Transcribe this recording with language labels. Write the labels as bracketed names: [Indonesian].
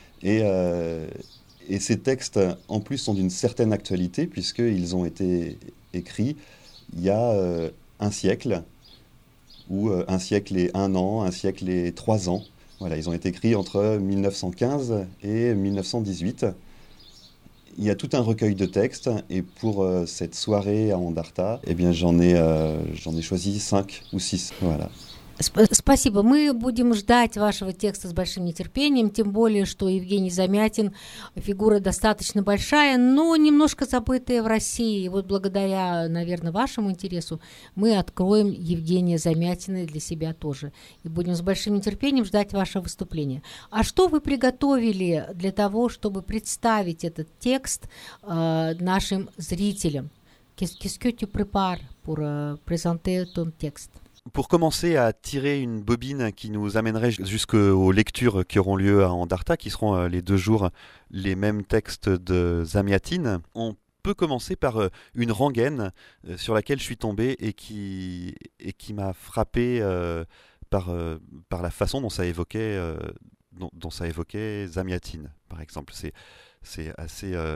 [French] Et ces textes, en plus, sont d'une certaine actualité puisqu'ils ont été écrits il y a un siècle, ou un siècle et un an, un siècle et trois ans. Voilà, ils ont été écrits entre 1915 et 1918. Il y a tout un recueil de textes, et pour cette soirée à Andarta, eh bien, j'en ai choisi cinq ou six. Voilà. [Russian] Спасибо. Мы будем ждать вашего текста с большим нетерпением, тем более, что Евгений Замятин – фигура достаточно большая, но немножко забытая в России. И вот благодаря, наверное, вашему интересу мы откроем Евгения Замятина для себя тоже. И будем с большим нетерпением ждать вашего выступления. А что вы приготовили для того, чтобы представить этот текст нашим зрителям? [French] Qu'est-ce que tu prépares pour présenter ton texte? Pour commencer à tirer une bobine qui nous amènerait jusqu'aux lectures qui auront lieu à Andarta, qui seront les deux jours les mêmes textes de Zamyatin, on peut commencer par une rengaine sur laquelle je suis tombé et qui m'a frappé par la façon dont ça évoquait, dont ça évoquait Zamyatin, par exemple. C'est assez...